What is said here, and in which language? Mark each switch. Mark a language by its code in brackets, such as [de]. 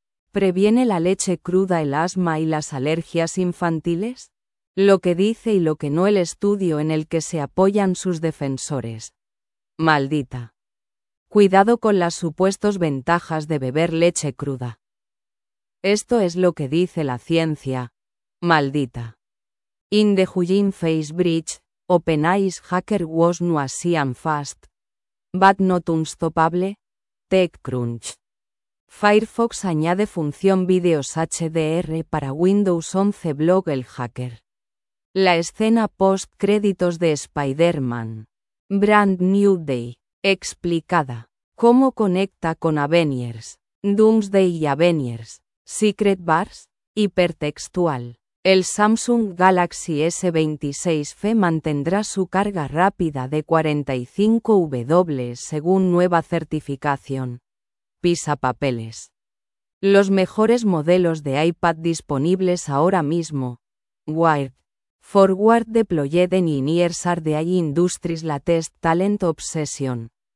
[es] ¿Previene la leche cruda el asma y las alergias infantiles? Lo que dice y lo que no el estudio en el que se apoyan sus defensores. Maldita. Cuidado con las supuestas ventajas de beber leche cruda. Esto es lo que dice la ciencia. Maldita. [en] In the Huyin Face Bridge, OpenAI's hacker was noisy and fast. But not unstoppable. TechCrunch. [es] Firefox añade función videos HDR para Windows 11 blog el hacker. La escena post-créditos de Spider-Man. Brand New Day. Explicada. ¿Cómo conecta con Avengers? Doomsday y Avengers. Secret Bars. Hipertextual. El Samsung Galaxy S26 FE mantendrá su carga rápida de 45W según nueva certificación. PISA papeles. Los mejores modelos de iPad disponibles ahora mismo. Wired. [en] Forward deployed engineers are the AI industry's latest talent obsession.